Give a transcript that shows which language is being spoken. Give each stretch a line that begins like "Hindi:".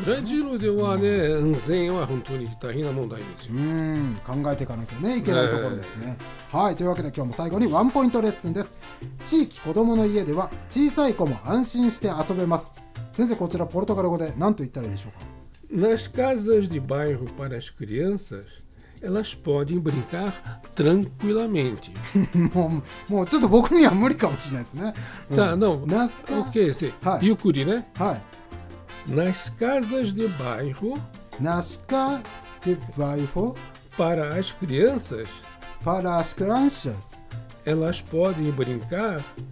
Japanese: ね。ブラジルではね、安全は本当に大変な問題ですよ。考えていかなきゃ、いけないところですね。はい、というわけで今日も最後にワンポイントレッスンです。地域子どもの家では小さい子も安心して遊べます。先生、こちらポルトガル語で何と言ったらいいでしょうか？
Portuguese: Nas casas de bairro para as crianças, elas podem brincar tranquilamente.
Japanese: もうちょっと僕には無理かもしれないですね。
Portuguese: Tá, não. Nas casas. OK, sim. Yukuri, né?
Japanese: はい。
Portuguese: Nas casas de bairro. Nas casas de bairro. Para as crianças. Para as crianças. Elas podem brincar.